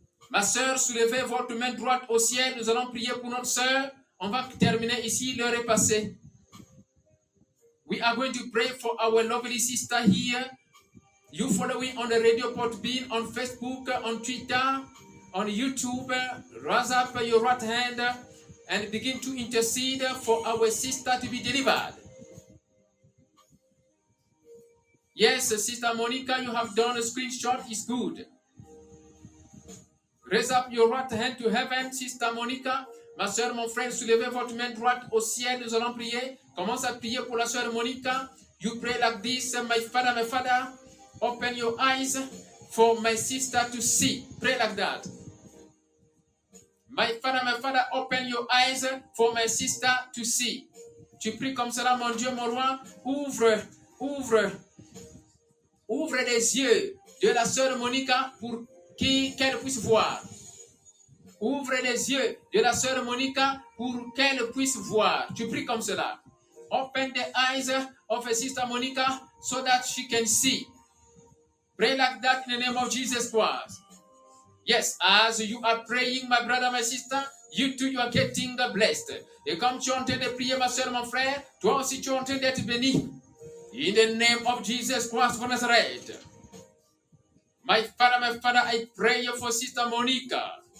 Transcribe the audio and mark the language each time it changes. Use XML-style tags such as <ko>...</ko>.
<fr>Ma sœur, soulevez votre main droite au ciel. Nous allons prier pour notre sœur. On va terminer ici. L'heure est passée.</fr> <en>We are going to pray for our lovely sister here. You following on the radio podbean, on Facebook, on Twitter, on YouTube. Raise up your right hand and begin to intercede for our sister to be delivered. Yes, Sister Monica, you have done a screenshot. It's good. Raise up your right hand to heaven, Sister Monica.</en> <fr>Ma soeur, mon frère, soulevez votre main droite au ciel. Nous allons prier. Commence à prier pour la soeur Monica.</fr> <en>You pray like this. My father, open your eyes for my sister to see. Pray like that. My father, open your eyes for my sister to see.</en> <fr>Tu pries comme cela, mon Dieu, mon roi. Ouvre, ouvre, ouvre les yeux de la soeur Monica pour qu'elle puisse voir. Ouvre les yeux de la sœur Monica pour qu'elle puisse voir. Tu pries comme cela.</fr> <en>Open the eyes of Sister Monica so that she can see. Pray like that in the name of Jesus Christ. Yes, as you are praying, my brother, my sister, you too, you are getting blessed.</en> <fr>Et comme tu es en train de prier, ma sœur, mon frère, toi aussi, tu es en train d'être béni.</fr> <en>In the name of Jesus Christ of Nazareth. My father, I pray for Sister Monica.</en>